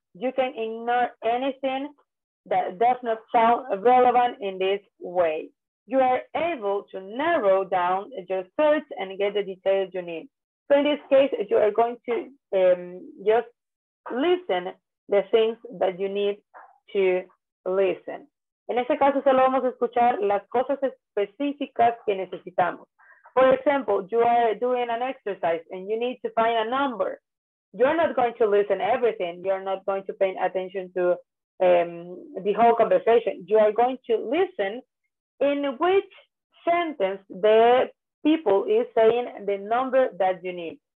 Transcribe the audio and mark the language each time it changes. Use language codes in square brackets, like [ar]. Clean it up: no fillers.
[en] You can ignore anything that does not sound relevant in this way. You are able to narrow down your search and get the details you need. So in this case, you are going to just listen the things that you need to listen. [es] En este caso, solo vamos a escuchar las cosas específicas que necesitamos. [en] For example, you are doing an exercise and you need to find a number. You're not going to listen everything. You're not going to pay attention to the whole conversation. You are going to listen in which sentence the people is saying the number that you need.